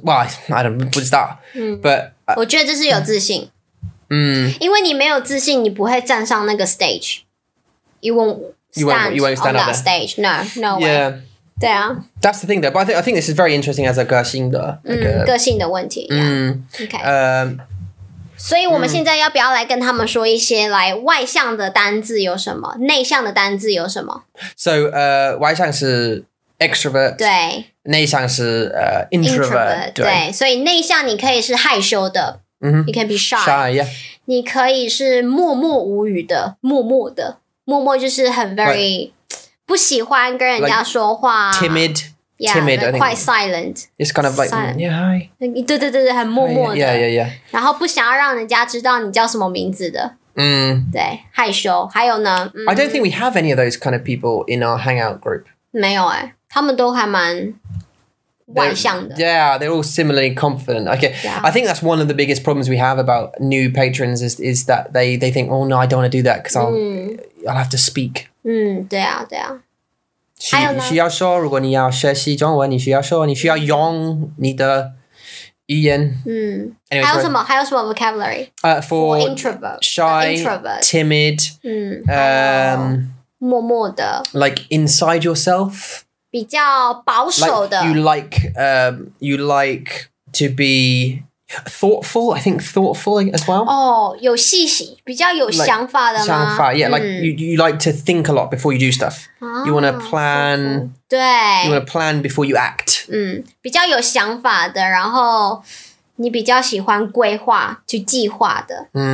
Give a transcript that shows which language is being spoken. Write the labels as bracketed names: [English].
[English] Well, I don't know, what's that? But... [Chinese] 我觉得这是有自信。因为你没有自信，你不会站上那个 stage. [English] You won't stand on that stage. No way. Yeah. [Chinese] 对啊 [English] That's the thing though, but I think this is very interesting as a [Chinese] 个性的、个性的问题、OK 所以我们现在要不要来跟他们说一些来外向的单字有什么内向的单字有什么 So 外向是 extrovert 对内向是 introvert 对所以内向你可以是害羞的、 [English] You can be shy、 yeah. [Chinese] 你可以是默默无语的默默的默默就是很 very、right. 不喜欢跟人家说话 [English] timid, yeah, quite silent. It's kind of like, [Chinese] hi. 对对对对，很默默的。 [English] Yeah. [Chinese] 然后不想要让人家知道你叫什么名字的。对，害羞。还有呢？ [English] I don't think we have any of those kind of people in our hangout group. [Chinese] 没有哎，他们都还蛮外向的。 [English] Yeah, they're all similarly confident. Okay, I think that's one of the biggest problems we have about new patrons is that they think, oh no, I don't want to do that because I'll have to speak. [Chinese] 对啊对啊还有呢你需要说如果你要学习中文你需要说你需要用你的语言 Anyways, 还有什么还有什么 vocabulary [English] for introvert shy introvert timid [Chinese] 默默的 [English] like inside yourself [Chinese] 比较保守的 [English] like you like to bebe thoughtful, I think thoughtful as well. [Chinese] Oh, 有细心，比较有想法的吗？ [English] 想法 yeah, like you like to think a lot before you do stuff. You want to plan. [Chinese] 对。 [English] You want to plan before you act. [Chinese] 比较有想法的，然后你比较喜欢规划，去计划的。